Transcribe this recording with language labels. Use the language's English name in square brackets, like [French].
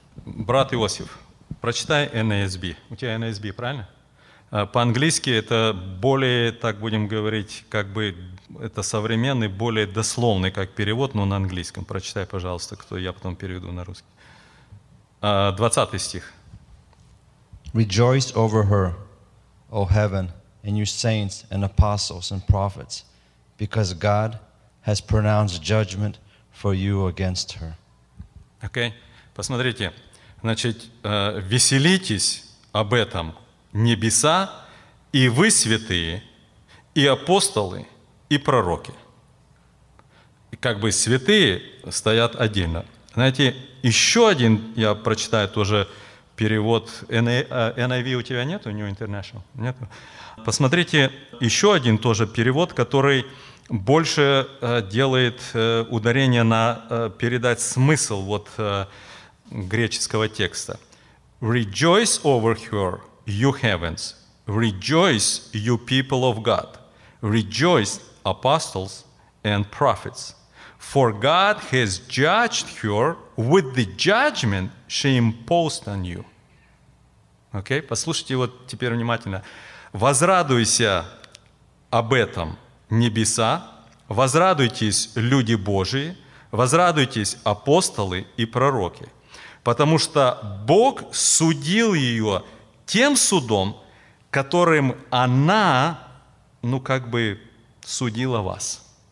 [Russian] Брат Иосиф, прочитай NASB. У тебя NASB, правильно? По-английски это более, так будем говорить, как бы это современный, более дословный как перевод, но на английском. Прочитай, пожалуйста, кто я потом переведу на русский. 20 стих. [English] Rejoice over her, O heaven, and you saints and apostles and prophets, because God has pronounced judgment for you against her. [Russian] Окей, посмотрите. Значит, веселитесь об этом, небеса, и вы святые, и апостолы, и пророки. И как бы святые стоят отдельно. Знаете, еще один, я прочитаю тоже перевод, NIV у тебя нету, New International? Нету? Посмотрите, еще один тоже перевод, который больше делает ударение на передать смысл вот греческого текста. [English] Rejoice over her, you heavens. Rejoice, you people of God. Rejoice, apostles and prophets. For God has judged her with the judgment she imposed on you. [Russian] Окей? Послушайте вот теперь внимательно. Возрадуйся об этом, небеса. Возрадуйтесь, люди Божии. Возрадуйтесь, апостолы и пророки. Потому что Бог судил ее тем судом, которым она, ну, как бы, судила вас.